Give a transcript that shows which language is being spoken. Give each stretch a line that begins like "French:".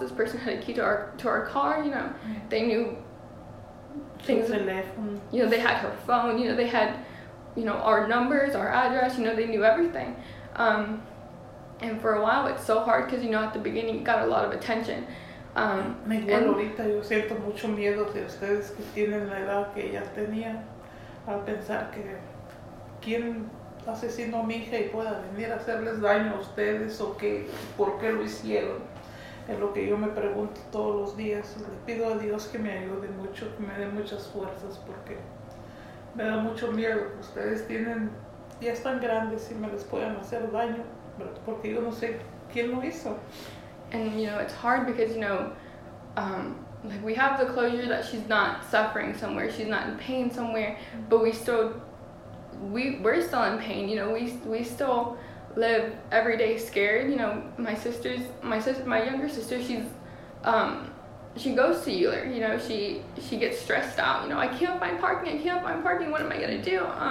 English: This person had a key to our car. You know, they knew things. You know, they had her phone. You know, they had, you know, our numbers, our address. You know, they knew everything. And for a while, it's so hard because, you know, at the beginning, it got a lot of attention.
Spanish: Ahorita yo siento mucho miedo de ustedes que tienen la edad que ella tenía al pensar que quién asesinó a mi hija y pueda venir a hacerles daño a ustedes o que por qué lo hicieron. Es lo que yo me pregunto todos los días. Le pido a Dios que me ayude mucho, que me dé muchas fuerzas, porque me da mucho miedo. Ustedes tienen, ya están grandes y me les pueden hacer daño, porque yo no sé quién lo hizo.
English: And, you know, it's hard because, you know, like we have the closure that she's not suffering somewhere, she's not in pain somewhere, but we're still in pain, you know, we still live every day scared. You know, my younger sister, she goes to Euler, you know, she gets stressed out, you know, I can't find parking, what am I gonna do?